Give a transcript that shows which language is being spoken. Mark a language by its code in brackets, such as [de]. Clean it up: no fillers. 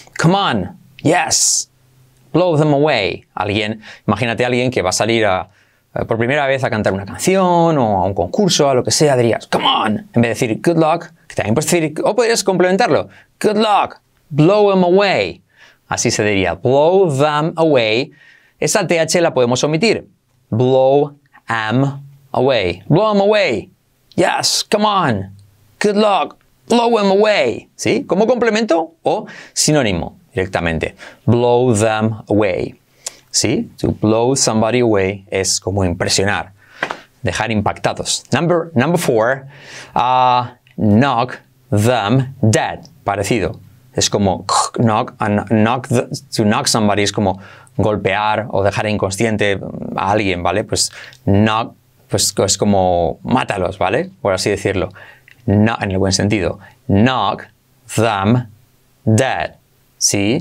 [en] Come on, yes, blow them away. [es] Alguien, imagínate a alguien que va a salir por primera vez a cantar una canción o a un concurso, a lo que sea, dirías, [en] come on, [es] en vez de decir [en] good luck, [es] que también puedes decir, o podrías complementarlo, [en] good luck, blow them away. [es] Así se diría, [en] blow them away. [es] Esa TH la podemos omitir, [en] blow them away, blow them away. Yes, come on, good luck, blow them away. [es] ¿Sí? Como complemento o sinónimo directamente. [en] Blow them away. [es] ¿Sí? [en] To blow somebody away [es] es como impresionar, dejar impactados. [en] Number four, knock them dead. [es] Parecido. Es como [en] knock somebody [es] es como golpear o dejar inconsciente a alguien, ¿vale? Pues knock. Pues es como mátalos, ¿vale? Por así decirlo. No, en el buen sentido. [en] Knock them dead. [es] ¿Sí?